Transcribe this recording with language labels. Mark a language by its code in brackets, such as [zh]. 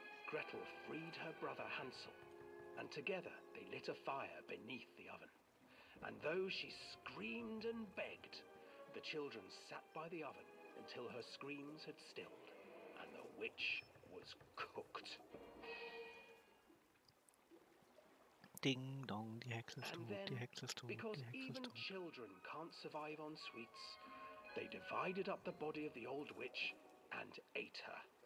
[en] Gretel freed her brother Hansel, and together they lit a fire beneath the oven. And though she screamed and begged, the children sat by the oven until her screams had stilled and the witch was cooked. [de] Ding dong, die Hexe ist tot, die Hexe ist tot. [en] Because even children can't survive on sweets, they divided up the body of the old witch and ate her.